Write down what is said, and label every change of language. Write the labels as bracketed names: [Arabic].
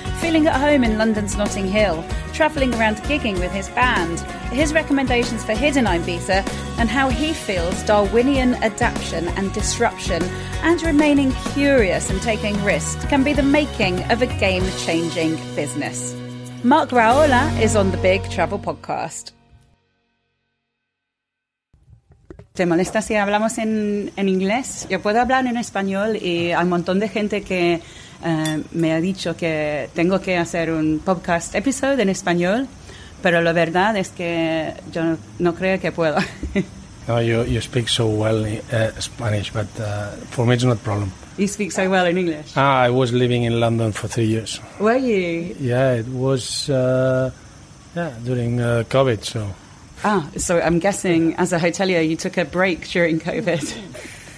[English] Feeling at home in London's Notting Hill, travelling around gigging with his band, his recommendations for hidden Ibiza, and how he feels Darwinian adaption and disruption and remaining curious and taking risks can be the making of a game-changing business. Marc Rahola is on the Big Travel Podcast. [Spanish] ¿Te molesta si hablamos en inglés? Yo puedo hablar en español y hay un montón de gente que me ha dicho que tengo que hacer un podcast episode en español, pero la verdad es que yo no creo que puedo. [English] No, you speak so well Spanish, but for me it's not a problem. You speak so well in English? I was living in London for 3 years. Were you? Yeah, it was during COVID, so. So I'm guessing as a hotelier you took a break during COVID.